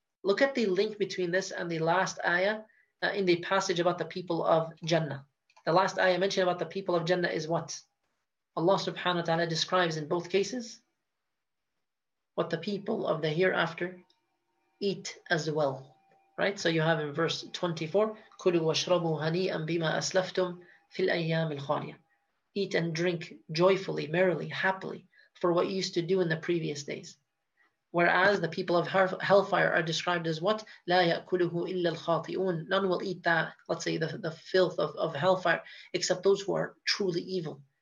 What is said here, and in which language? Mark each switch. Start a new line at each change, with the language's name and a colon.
English: Look at the link between this and the last ayah in the passage about the people of Jannah. The last ayah mentioned about the people of Jannah is what? Allah subhanahu wa ta'ala describes in both cases what the people of the hereafter eat as well. Right? So you have in verse 24,
Arabic: كُلُوا وَشْرَبُوا هَنِيئًا بِمَا أَسْلَفْتُمْ فِي الْأَيَّامِ الْخَالِيَةِ.
English: Eat and drink joyfully, merrily, happily for what you used to do in the previous days. Whereas the people of hellfire are described as what?
Arabic: لَا يَأْكُلُهُ إِلَّا الْخَاطِئُونَ.
English: None will eat that, let's say the filth of hellfire, except those who are truly evil.